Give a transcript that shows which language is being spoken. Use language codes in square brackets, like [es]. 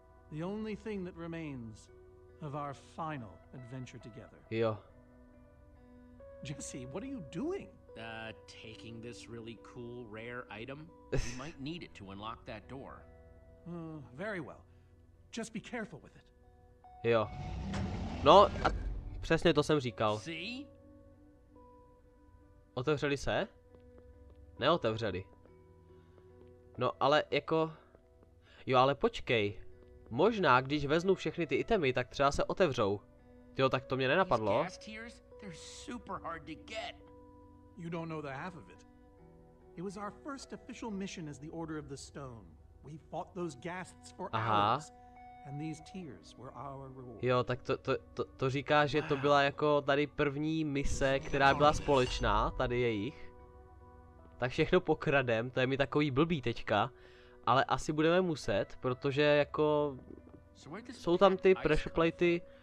[en] The only thing that remains of our final adventure together. [cs] Jo. [en] Jesse, what are you doing? Taking this really cool rare item. You might need it to unlock that door. Very well. Just be careful with it. [cs] Jo. No, a přesně to jsem říkal. [en] See? [cs] Otevřeli se? Neotevřeli. No, ale jako jo, ale počkej. Možná, když vezmu všechny ty itemy, tak třeba se otevřou. Jo, tak to mě nenapadlo. [en] They're super hard to get. You don't know the half of it. It was our first official mission as the Order of the Stone. We fought those ghasts for hours, and these tears were our reward. [cs] Jo, tak to říká, že to byla jako tady první mise, která byla společná, tady jejich. Tak všechno pokradem, to je mi takový blbý teďka, ale asi budeme muset, protože jako jsou tam ty pressure platey.